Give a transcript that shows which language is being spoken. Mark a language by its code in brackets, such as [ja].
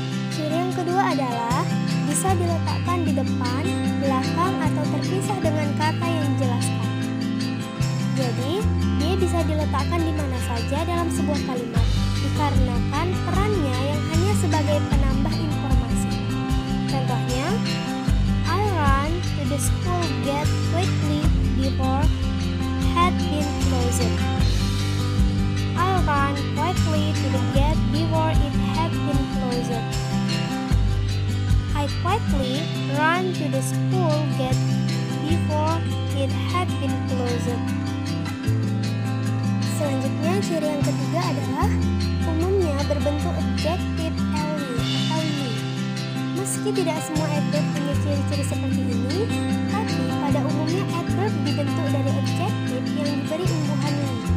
[id] Ciri yang kedua adalah, bisa diletakkan di depan, belakang, atau terpisah dengan kata yang dijelaskan. Jadi, dia bisa diletakkan di mana saja dalam sebuah kalimat, dikarenakan perannya yang hanya sebagai penambah informasi. [en] Contohnya, I run to the school gate quickly before had been closed. I run quickly to the gate before it had been closed. I quickly run to the school gate before it had been closed. [id] Selanjutnya, ciri yang ketiga adalah umumnya berbentuk adjective ly atau ly. Meski tidak semua adverb punya ciri-ciri seperti ini, tapi pada umumnya adverb dibentuk dari adjective yang diberi imbuhan ly.